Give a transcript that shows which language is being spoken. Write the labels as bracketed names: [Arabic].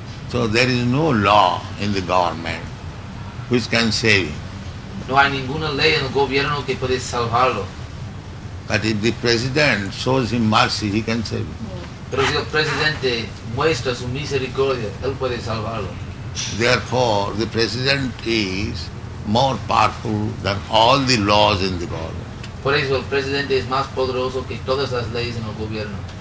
[English] So there is no law in the government which can save him. [Spanish] No hay ninguna ley en el gobierno que puede salvarlo. [English] But if the president shows him mercy, he can save him. [Spanish] Pero si el presidente muestra su misericordia, él puede salvarlo. [English] Therefore, the president is more powerful than all the laws in the government. [Spanish] Por eso el presidente es más poderoso que todas las leyes en el gobierno.